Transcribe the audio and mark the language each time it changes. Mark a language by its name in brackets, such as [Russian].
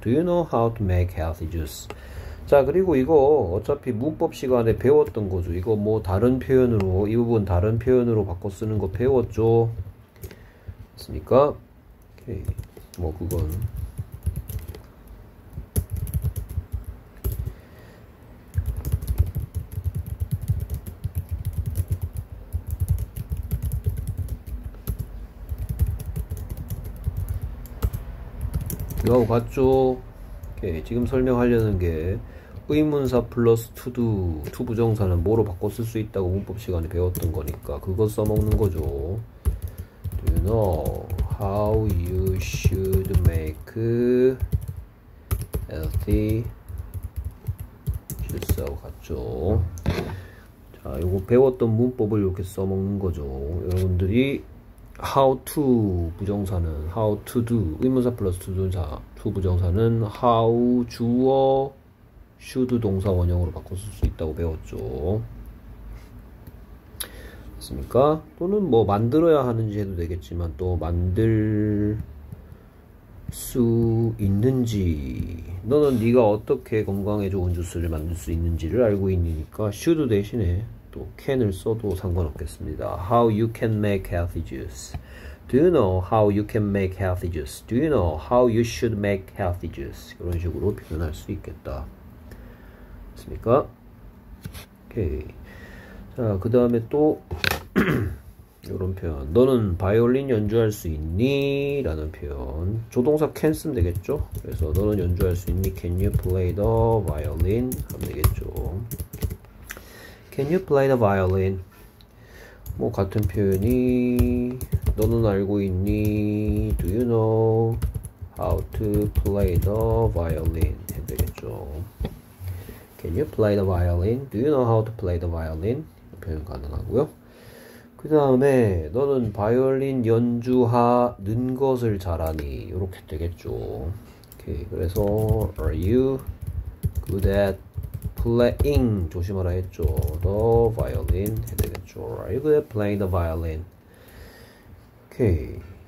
[English] Do you know how to make healthy juice? [Korean] 자, 그리고 이거 어차피 문법 시간에 배웠던 거죠. 이거 뭐 다른 표현으로, 이 부분 다른 표현으로 바꿔 쓰는 거 배웠죠. 맞습니까? 오케이. 뭐, 그건. 이거 같죠? 오케이. 지금 설명하려는 게. 의문사 플러스 투두, 투부정사는 뭐로 바꿔 쓸수 있다고 문법 시간에 배웠던 거니까 그거 써먹는 거죠. [English] Do you know how you should make healthy juice? [Korean] 같죠. 자, 요거 배웠던 문법을 이렇게 써먹는 거죠. 여러분들이 how to 부정사는 how to do, 의문사 플러스 투부정사는 how 주어 should 동사 원형으로 바꿔 쓸수 있다고 배웠죠. 맞습니까? 또는 뭐 만들어야 하는지 해도 되겠지만 또 만들 수 있는지. 너는 네가 어떻게 건강에 좋은 주스를 만들 수 있는지를 알고 있으니까 should 대신에 또 can을 써도 상관없겠습니다. [English] How you can make healthy juice? Do you know how you can make healthy juice? Do you know how you should make healthy juice? [Korean] 이런 식으로 표현할 수 있겠다. 맞습니까? 오케이. 자, 그 다음에 또 이런 표현. 너는 바이올린 연주할 수 있니? 라는 표현. 조동사 can 쓰면 되겠죠? 그래서 너는 연주할 수 있니? [English] Can you play the violin? [Korean] 하면 되겠죠. [English] Can you play the violin? [Korean] 뭐 같은 표현이. 너는 알고 있니? [English] Do you know how to play the violin? [Korean] 해도 되겠죠. [English] Can you play the violin? Do you know how to play the violin? [Korean] 표현 가능하고요. 그 다음에 너는 바이올린 연주하는 것을 잘하니? 이렇게 되겠죠. 오케이. 그래서 [English] Are you good at playing? [Korean] 조심하라 했죠. [English] The violin [Korean] 해야 되겠죠. [English] Are you good at playing the violin? 오케이.